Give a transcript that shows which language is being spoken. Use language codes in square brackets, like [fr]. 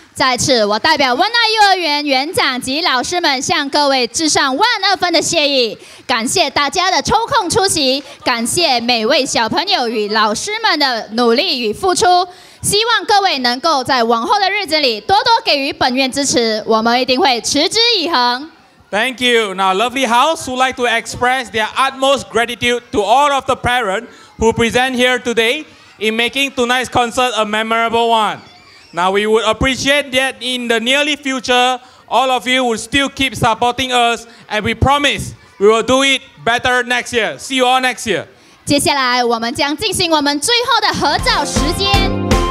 [zh] 再次我代表温爱幼儿园园长及老师们向各位致上万二分的谢意，感谢大家的抽空出席，感谢每位小朋友与老师们的努力与付出，希望各位能够在往后的日子里多多给予本院支持，我们一定会持之以恒。 [en] Thank you. Now lovely house would like to express their utmost gratitude to all of the parents who present here today in making tonight's concert a memorable one. Now we would appreciate that in the nearly future, all of you will still keep supporting us, and we promise we will do it better next year. See you all next year. [zh] 接下来我们将进行我们最后的合照时间。